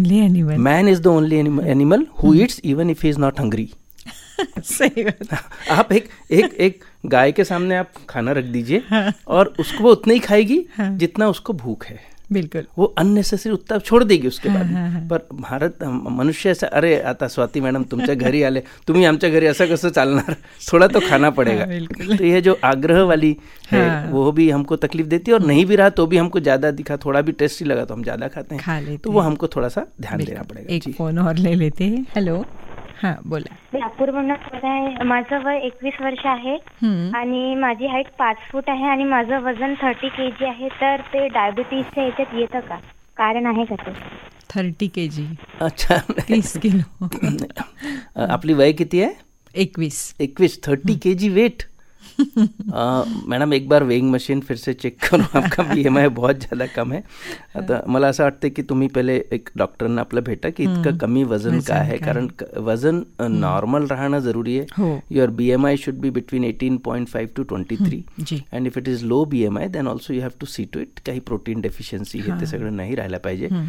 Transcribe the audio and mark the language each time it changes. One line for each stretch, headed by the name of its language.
English: Man is the only animal who eats even if he is not hungry.
Hindi: सही बात. आप एक एक एक गाय के सामने आप खाना रख दीजिए और उसको वो उतना ही खाएगी जितना उसको भूख है. बिल्कुल, वो अननेसेसरी उत्ताप छोड़ देगी उसके बाद. पर भारत मनुष्य ऐसा,
Marathi: अरे आता स्वाति मैडम तुमच्या घरी आले, तुम्ही आमच्या घरी असं कसं चालणार,
Hindi: थोडा तो खाना पड़ेगा. तो ये जो आग्रह वाली है वो भी हमको तकलीफ देती है, और नहीं भी रहा तो भी हमको ज्यादा दिखा, थोड़ा भी टेस्टी लगा तो हम ज्यादा खाते हैं, तो वो हमको थोड़ा सा ध्यान देना पड़ेगा. एक फोन और ले लेते हैं. हेलो, हाँ बोला.
Marathi: मी अपूर्व बोलते, माझं वय 21 वर्ष आहे आणि माझी हाईट 5 फूट आहे आणि माझं वजन 30 kg आहे, तर ते डायबिटीजच्या ह्याच्यात येतं का, कारण आहे का ते 30 kg?
Hindi: अच्छा, 30 kg.
Marathi: आपली वय किती आहे? 21. 30 kg वेट.
Hindi: मॅडम एक बार वेइंग मशीन फिर से चेक करू, आपका BMI बहुत ज्यादा कम है.
Marathi: आता मला असं वाटतं की तुम्ही पहिले एक डॉक्टर ना आपलं भेटा की इतकं कमी वजन का आहे, कारण वजन नॉर्मल राहणं जरूरी आहे.
English: your BMI should be between 18.5-23, and if it is low BMI then also you have to see to it,
Marathi: काही प्रोटीन डेफिशियन्सी हे ते सगळं नाही राहायला पाहिजे.